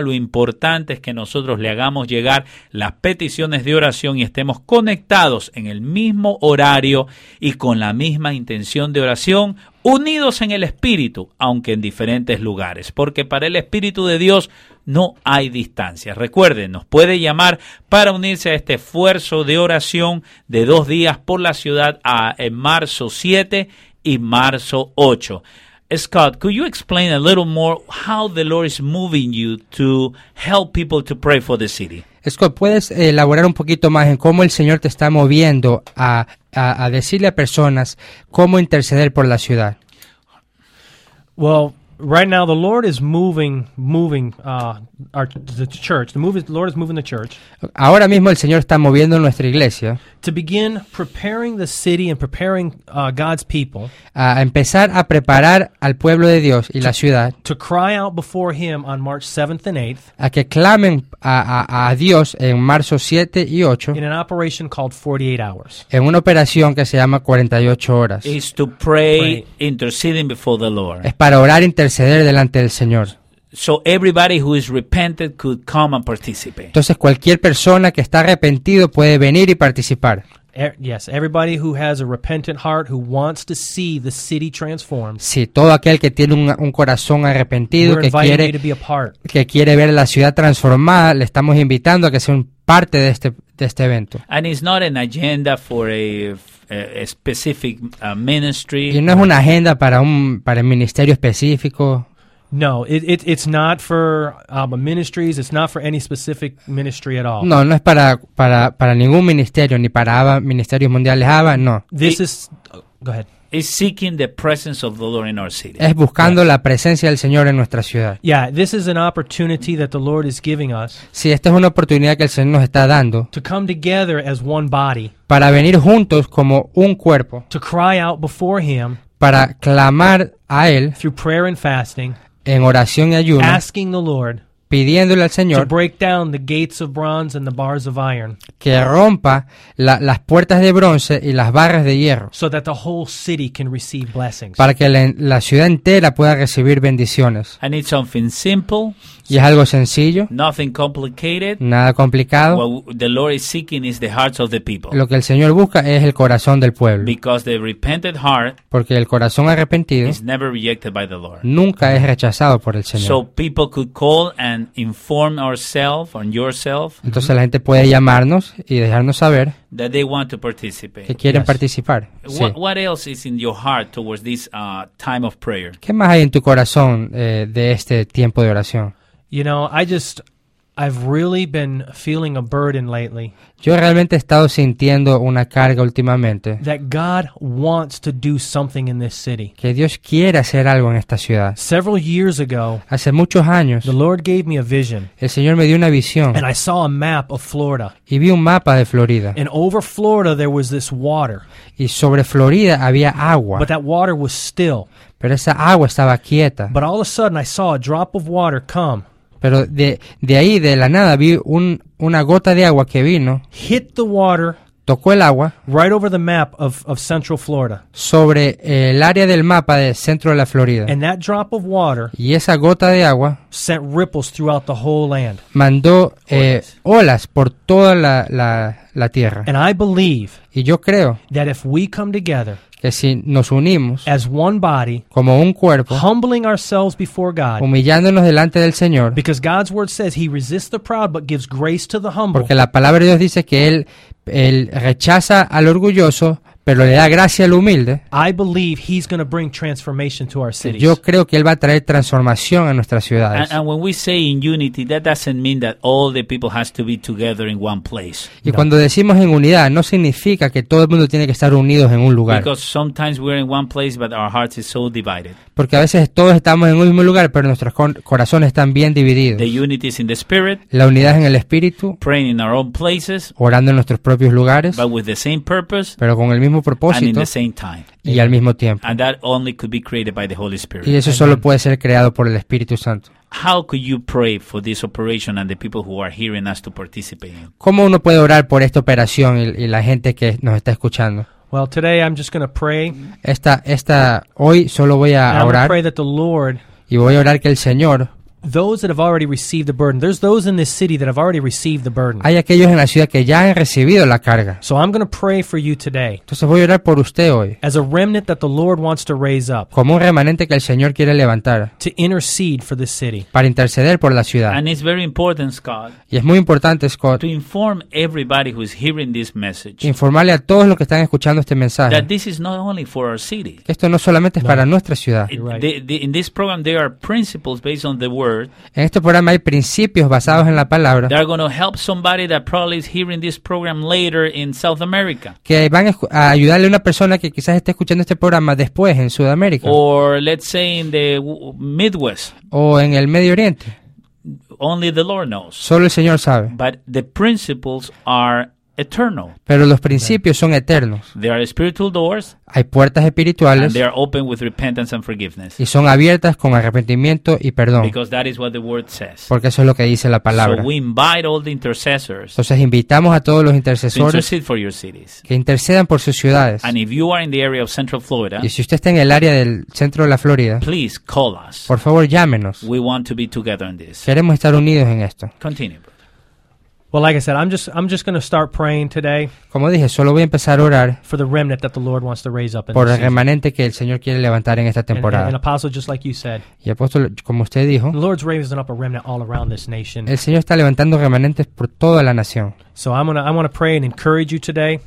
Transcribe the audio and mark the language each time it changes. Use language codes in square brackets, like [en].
[es] Lo importante es que nosotros le hagamos llegar las peticiones de oración y estemos conectados en el mismo horario y con la misma intención de oración, unidos en el Espíritu, aunque en diferentes lugares, porque para el Espíritu de Dios no hay distancia. Recuerden, nos puede llamar para unirse a este esfuerzo de oración de dos días por la ciudad en marzo 7 y marzo 8. [en] Scott, could you explain a little more how the Lord is moving you to help people to pray for the city? [es] Scott, ¿puedes elaborar un poquito más en cómo el Señor te está moviendo a decirle a personas cómo interceder por la ciudad? [en] Well, right now the Lord is moving the church. [es] Ahora mismo el Señor está moviendo nuestra iglesia. [en] To begin preparing the city and preparing God's people. [es] A empezar a preparar al pueblo de Dios y la ciudad. [en] To cry out before Him on March 7th and 8th. [es] A que clamen a Dios en marzo 7 y 8. [en] In an operation called 48 hours. [es] En una operación que se llama 48 horas. [en] Is to pray interceding before the Lord. [es] Es para orar interceder delante del Señor. [en] So everybody who is repented could come and participate. [es] Entonces cualquier persona que está arrepentido puede venir y participar. [en] Yes, everybody who has a repentant heart who wants to see the city transformed. [es] Sí, todo aquel que tiene un corazón arrepentido que quiere ver la ciudad transformada, le estamos invitando a que sea un parte de este evento. [en] And it's not an agenda for a specific ministry. [es] Y no es una agenda para el ministerio específico. [en] No, it's not for ministries. It's not for any specific ministry at all. [es] No, no es para ningún ministerio ni para ABBA, Ministerios Mundiales ABBA. No. [en] Go ahead. It's seeking the presence of the Lord in our city. [es] Es buscando la presencia del Señor en nuestra ciudad. [en] Yeah, this is an opportunity that the Lord is giving us. [es] Sí, esta es una oportunidad que el Señor nos está dando. [en] To come together as one body. [es] Para venir juntos como un cuerpo. [en] To cry out before Him. [es] Para clamar a él. [en] Through prayer and fasting. [es] En oración y ayuno, [en] asking the Lord, [es] pidiéndole al Señor, [en] to break down the gates of bronze and the bars of iron, [es] que rompa las puertas de bronce y las barras de hierro, [en] so that the whole city can receive blessings, [es] para que la ciudad entera pueda recibir bendiciones. [en] I need something simple, [es] y es algo sencillo, [en] nothing complicated, [es] nada complicado. [en] What the Lord is seeking is the hearts of the people. [es] Lo que el Señor busca es el corazón del pueblo. [en] Because the repentant heart, [es] porque el corazón arrepentido, [en] is never rejected by the Lord. [es] Nunca es rechazado por el Señor. [en] So people could call and inform ourselves on yourself. [es] Entonces la gente puede llamarnos y dejarnos saber [en] that they want to participate. [es] Que quieren participar. Sí. [en] What else is in your heart towards this time of prayer? [es] ¿Qué más hay en tu corazón de este tiempo de oración? [en] You know, I've really been feeling a burden lately. [es] Yo realmente he estado sintiendo una carga últimamente. [en] That God wants to do something in this city. [es] Que Dios quiere hacer algo en esta ciudad. [en] Several years ago, [es] hace muchos años, [en] the Lord gave me a vision. [es] El Señor me dio una visión. [en] And I saw a map of Florida. [es] Y vi un mapa de Florida. [en] And over Florida there was this water. [es] Y sobre Florida había agua. [en] But that water was still. [es] Pero esa agua estaba quieta. [en] But all of a sudden I saw a drop of water come. [es] Pero de ahí, de la nada, vi una gota de agua que vino. [en] Hit the water. [es] Tocó el agua. [en] Right over the map of Central Florida. [es] Sobre el área del mapa del centro de la Florida. [en] And that drop of water. [es] Y esa gota de agua. [en] Sent ripples throughout the whole land. [es] Mandó olas por toda la tierra. [en] And I believe. [es] Y yo creo. [en] That if we come together. [es] Que si nos unimos [en] as one body, [es] como un cuerpo, [en] humbling ourselves before God, [es] humillándonos delante del Señor, [en] because God's word says he resists the proud but gives grace to the humble, [es] porque la palabra de Dios dice que él rechaza al orgulloso pero le da gracia al humilde. [en] I believe he's going to bring transformation to our cities. [es] Yo creo que él va a traer transformación a nuestras ciudades. [en] And when we say in unity, that doesn't mean that all the people has to be together in one place. [es] Y no. Cuando decimos en unidad, no significa que todo el mundo tiene que estar unidos en un lugar. [en] Because sometimes we're in one place, but our hearts are so divided. [es] Porque a veces todos estamos en un mismo lugar, pero nuestros corazones están bien divididos. [en] The unity is in the spirit. [es] La unidad es en el espíritu. [en] Praying in our own places. [es] Orando en nuestros propios lugares. [en] But with the same purpose. [es] Pero con el mismo propósito. [en] And in the same time. [es] Y al mismo tiempo. [en] And that only could be created by the Holy Spirit. [es] Y eso solo puede ser creado por el Espíritu Santo. [en] How could you pray for this operation and the people who are hearing us to participate in? [es] ¿Cómo uno puede orar por esta operación y la gente que nos está escuchando? [en] Well, today I'm just going to pray. [es] Esta hoy solo voy a orar. [en] I'm going to pray that the Lord. [es] Y voy a orar que el Señor [en] those that have already received the burden. There's those in this city that have already received the burden. [es] Hay aquellos en la ciudad que ya han recibido la carga. [en] So I'm going to pray for you today. [es] Entonces voy a orar por usted hoy. [en] As a remnant that the Lord wants to raise up. [es] Como un remanente que el Señor quiere levantar. [en] To intercede for this city. [es] Para interceder por la ciudad. [en] And it's very important, Scott. [es] Y es muy importante, Scott. [en] To inform everybody who is hearing this message. [es] Informarle a todos los que están escuchando este mensaje. [en] That this is not only for our city. [es] Que esto no solamente es para nuestra ciudad. [en] Right. In this program there are principles based on the word. [es] En este programa hay principios basados en la palabra. [en] They're going to help somebody that probably is hearing this program later in South America. [es] Que van a ayudarle a una persona que quizás esté escuchando este programa después en Sudamérica. [en] Or let's say in the Midwest. [es] O en el Medio Oriente. [en] Only the Lord knows. [es] Solo el Señor sabe. [en] But the principles are eternal. [es] Pero los principios son eternos. [en] There are spiritual doors. [es] Hay puertas espirituales. [en] And they are open with repentance and forgiveness. [es] Y son abiertas con arrepentimiento y perdón. [en] Because that is what the word says. [es] Porque eso es lo que dice la palabra. [en] So we invite all the intercessors. [es] Entonces invitamos a todos los intercesores. [en] To intercede for your cities. [es] Que intercedan por sus ciudades. [en] And if you are in the area of Central Florida. [es] Y si usted está en el área del centro de la Florida. [en] Please call us. [es] Por favor, llámenos. [en] We want to be together in this. [es] Queremos estar unidos en esto. [en] Continue. Well, like I said, I'm just going to start praying today. [es] Como dije, solo voy a empezar a orar [en] for the remnant that the Lord wants to raise up in [es] por el remanente que el Señor quiere levantar en esta temporada. [en] And apostle, just like you said, [es] y apóstol, como usted dijo, [en] the Lord's raising up a remnant all around this nation. [es] El Señor está levantando remanentes por toda la nación. [en] So I want to pray and encourage you today.